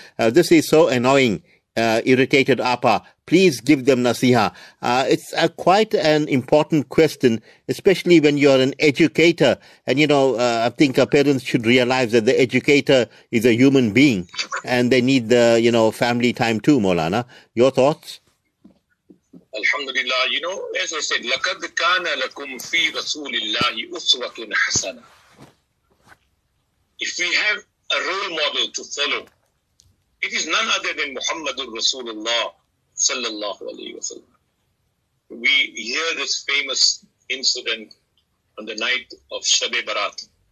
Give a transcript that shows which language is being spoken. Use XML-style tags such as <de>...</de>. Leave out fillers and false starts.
<en>This is so annoying, irritated Appa. Please give them nasiha. It's quite an important question, especially when you're an educator. And, you know, I think our parents should realize that the educator is a human being and they need the, you know, family time too, Maulana. Your thoughts? Alhamdulillah. You know, as I said,</en> <ar>لَقَدْ كَانَ لَكُمْ فِي رَسُولِ اللَّهِ أُسْوَةٌ حَسَنًا.</ar> <en>If we have a role model to follow, it is none other than Muhammadur Rasulullah sallallahu alayhi wa sallam. We hear this famous incident on the night of Shab-e-Barat.</en>